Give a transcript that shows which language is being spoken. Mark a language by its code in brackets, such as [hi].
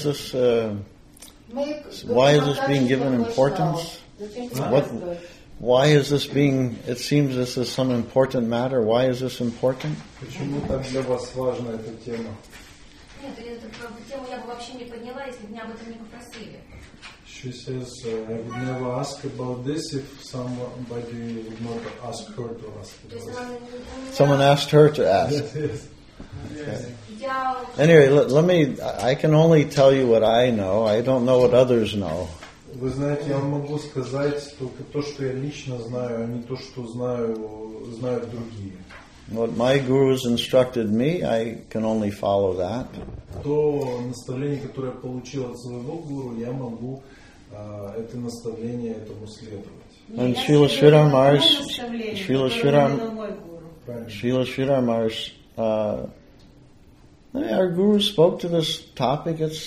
[en] Why is this being given importance? What? Why is this being? It seems this is some important matter. Why is this important? [ru] Почему так для вас важна эта тема? Нет, эту тему я бы вообще не подняла, если бы меня об этом не попросили. [en] She says I would never ask about this if somebody would not ask her to ask. Someone asked her to ask. Yes. Okay. Anyway, let me. I can only tell you what I know. I don't know what others know. [ru] Вы знаете, я могу сказать только то, что я лично знаю, а не то, что знают другие. [en] What my guru has instructed me, I can only follow that. [ru] То наставление, которое я получил от своего гуру, я могу это наставление этому следовать. [en] And Srila Sridhar Maharaj, our guru spoke to this topic.